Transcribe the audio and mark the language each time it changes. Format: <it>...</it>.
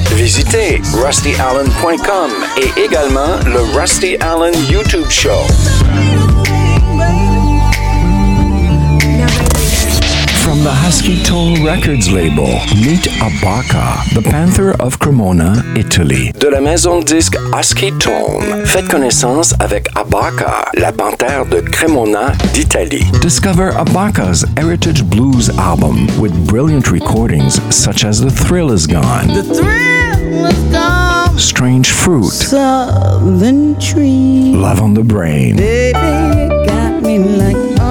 <fr>Visitez RustyAllen.com et également le Rusty Allen YouTube show.</fr> <en>From the Husky Tone Records label, meet Abaca, the Panther of Cremona, Italy.</en> <fr>De la maison de disque Husky Tone, faites connaissance avec Abaca, la Panthère de Cremona, d'Italie.</fr> <en>Discover Abaca's Heritage Blues album with brilliant recordings such as The Thrill Is Gone. The Thrill Is Gone. Strange Fruit. Southern Tree. Love on the Brain. Baby, got me like.</en>